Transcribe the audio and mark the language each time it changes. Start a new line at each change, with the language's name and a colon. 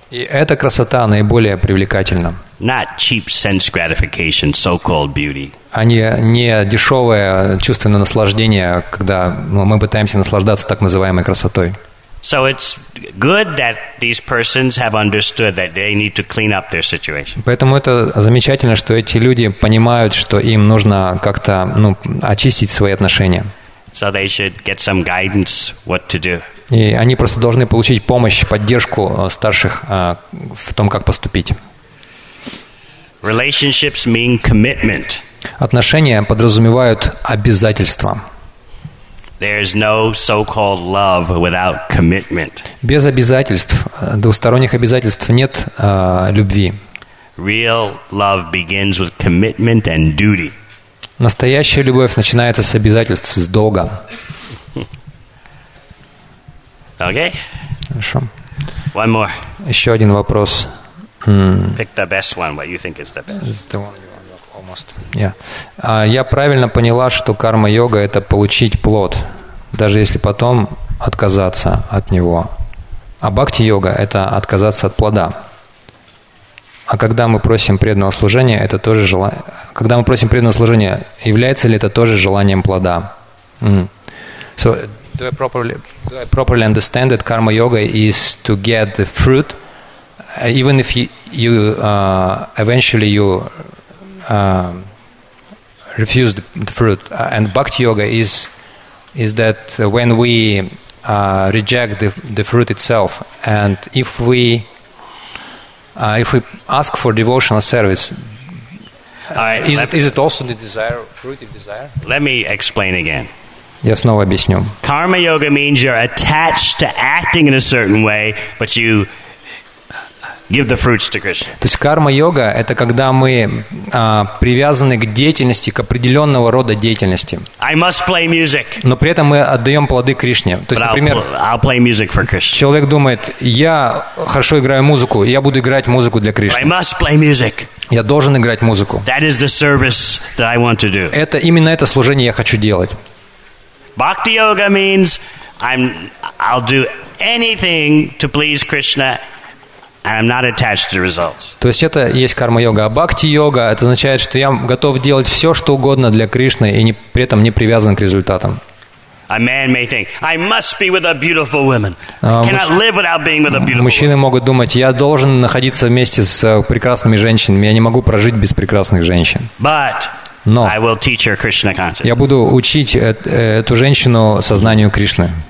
Russian: И эта красота наиболее привлекательна.
English: Not cheap sense gratification, so-called beauty.
Russian: А не дешевое чувственное наслаждение, когда мы пытаемся наслаждаться так называемой красотой.
English: So it's good that these persons have understood that they need to clean up their situation.
Russian: Поэтому это замечательно, что эти люди понимают, что им нужно как-то очистить свои отношения.
English: So they should get some guidance what to do.
Russian: И они просто должны получить помощь, поддержку старших в том, как поступить.
English: Relationships mean commitment.
Russian: Отношения подразумевают обязательства.
English: There is no so-called love without commitment.
Russian: Без обязательств, двусторонних обязательств нет любви.
English: Real love begins with commitment and duty.
Russian: Настоящая любовь начинается с обязательств, с долга.
English: Okay.
Russian: Хорошо.
English: One more.
Russian: Еще один вопрос.
English: Pick the best one, what you think is the best.
Russian: Я правильно поняла, что карма-йога – это получить плод, даже если потом отказаться от него. А бхакти-йога – это отказаться от плода. А когда мы просим преданного служения, это тоже желание. Когда мы просим преданного служения, является ли это тоже желанием плода?
English: So, do I properly understand that karma-yoga is to get the fruit, even if you eventually refuse the fruit? And bhakti-yoga is that when we reject the fruit itself, and if we ask for devotional service, is it also the desire, fruit of desire? Let me explain again.
Russian: Я снова объясню.
English: Karma yoga means you're attached to acting in a certain way, but you give the fruits to Krishna.
Russian: То есть карма йога это когда мы привязаны к деятельности, к определенного рода деятельности.
English: I must play music.
Russian: Но при этом мы отдаем плоды Кришне. То есть, например,
English: I'll play music for Krishna.
Russian: Человек думает, я хорошо играю музыку, я буду играть музыку для Кришны.
English: I must play music.
Russian: Я должен играть музыку.
English: That is the service that I want to do.
Russian: Это именно это служение я хочу делать.
English: Bhakti yoga means I'll do anything to please Krishna and I'm not attached to the results.
Russian: То есть это есть карма йога, а бхакти йога это означает, что я готов делать все, что угодно для Кришны и при этом не привязан к результатам.
English: A man may think, I must be with a beautiful woman. I cannot live without being with a beautiful woman.
Russian: Мужчины могут думать, я должен находиться вместе с прекрасными женщинами, я не могу прожить без прекрасных женщин.
English: But
Russian: Но
English: I will teach her Krishna consciousness.
Russian: Я буду учить эту женщину сознанию Кришны.